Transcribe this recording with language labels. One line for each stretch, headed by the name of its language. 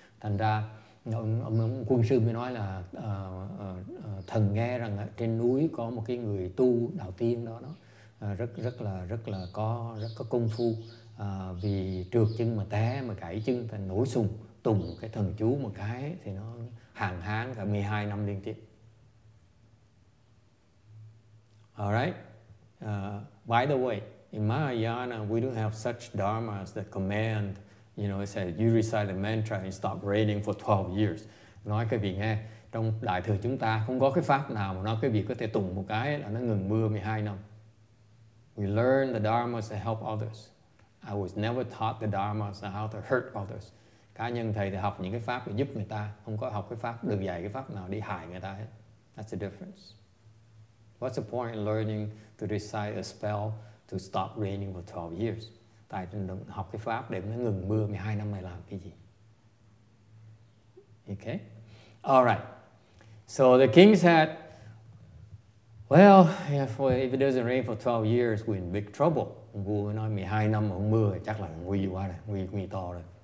Vietnamese: Thành ra ông quân sư mới nói là thần nghe rằng trên núi có một cái người tu đạo tiên đó rất là có công phu, vì trượt chân mà té mà gãy chân thành nổi sùng, tùng cái thần chú một cái thì nó hàng tháng cả 12 năm liên tiếp. Alright,
English: By the way, in Mahayana, we don't have such dharmas that command, you know, it says you recite the mantra and stop raining for 12 years.
Vietnamese: Nói cái việc nghe, trong đại thừa chúng ta không có cái pháp nào mà nói cái việc có thể tụng một cái là nó ngừng mưa 12 năm.
English: We learn the dharmas to help others. I was never taught the dharmas on how to hurt others.
Vietnamese: Cá nhân thầy thì học những cái pháp để giúp người ta, không có học cái pháp, được dạy cái pháp nào đi hại người ta hết.
English: That's the difference. What's the point in learning to recite a spell to stop raining for 12 years?
Vietnamese: Tại học cái pháp để nó ngừng mưa 12 năm này làm cái gì?
English: Okay? All right. So the king said, well, if it doesn't rain for 12 years, we're in big trouble.
Vietnamese: Vua nói 12 năm mà không mưa chắc là nguy quá rồi, nguy to rồi.